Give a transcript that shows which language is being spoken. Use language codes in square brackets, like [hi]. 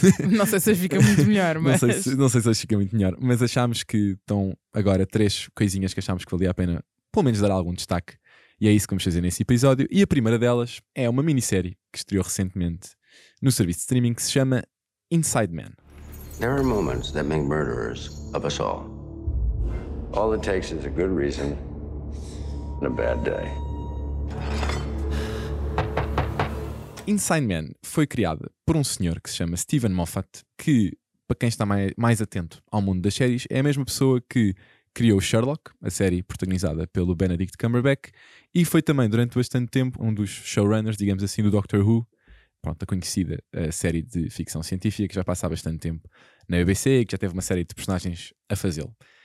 [pt] Não sei se hoje fica muito melhor, mas... Não sei se hoje fica muito melhor, mas achámos que estão agora três coisinhas que achámos que valia a pena, pelo menos dar algum destaque. E é isso que vamos fazer nesse episódio. E a primeira delas é uma minissérie que estreou recentemente no serviço de streaming que se chama Inside Man. [en] There are moments that make murderers of us all. All it takes is a good reason and a bad day. [pt] Inside Man foi criada por um senhor que se chama Stephen Moffat, que, para quem está mais atento ao mundo das séries, é a mesma pessoa que criou Sherlock, a série protagonizada pelo Benedict Cumberbatch, e foi também durante bastante tempo um dos showrunners, digamos assim, do Doctor Who, pronto, a conhecida série de ficção científica que já passa há bastante tempo na BBC e que já teve uma série de personagens a fazê-lo.